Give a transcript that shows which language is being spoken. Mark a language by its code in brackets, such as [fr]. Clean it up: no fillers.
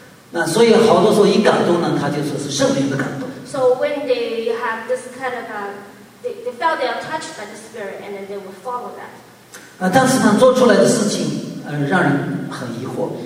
[zh] 那所以好多时候一感动呢，它就说是圣灵的感动。 [en] So when they have this kind of they felt they are touched by the spirit and then they will follow that. [zh] 但是呢做出来的事情让人很疑惑。